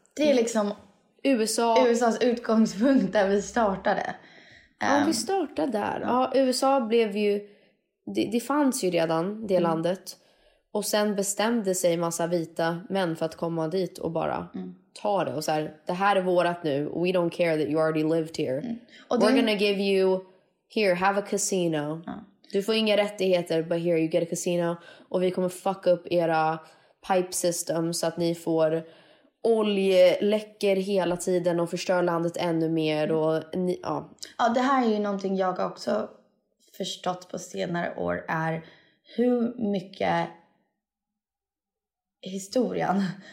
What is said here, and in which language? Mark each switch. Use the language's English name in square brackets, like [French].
[Swedish] det är liksom USAs utgångspunkt där vi startade. Vi startade där. Ja, USA blev ju, det fanns ju redan det landet. Och sen bestämde sig massa vita män för att komma dit och bara ta det. Och så här, det här är vårat nu. [English] We don't care that you already lived here. [Swedish] Och [English] we're gonna give you, here, have a casino. [Swedish] Ja. Du får inga rättigheter, [English] but here you get a casino. [Swedish] Och vi kommer [English] fuck [Swedish] upp era pipe system så att ni får oljeläcker hela tiden och förstör landet ännu mer. Och ja, det här är ju någonting jag också förstått på senare år, är hur mycket historien